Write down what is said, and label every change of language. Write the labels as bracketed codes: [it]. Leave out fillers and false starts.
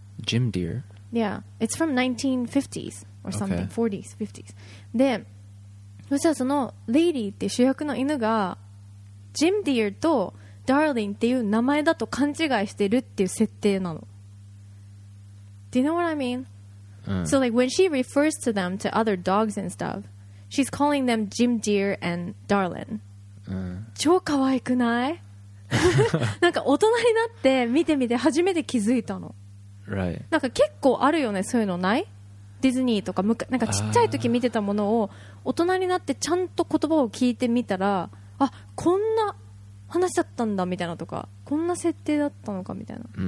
[en] Jim Dear? Yeah, it's from 1950s or something,、okay. 40s, 50s. [ja] で、そしたらそのレイリーって主役の犬がジムディアとダーリンっていう名前だと勘違いしてるっていう設定なの。 [en] Do you know what I mean? So like when she refers to them to other dogs and stuff, she's calling them Jim Deer and Darlin. [ja] 超可愛くない？なんか大人になって見てみて初めて気づいたの。 [en] Right. [ja] なんか結構あるよね、そういうのない？ディズニーとか、なんかちっちゃい時見てたものを大人になってちゃんと言葉を聞いてみたら、あ、こんな話だったんだみたいなとか、こんな設定だったのかみたいな。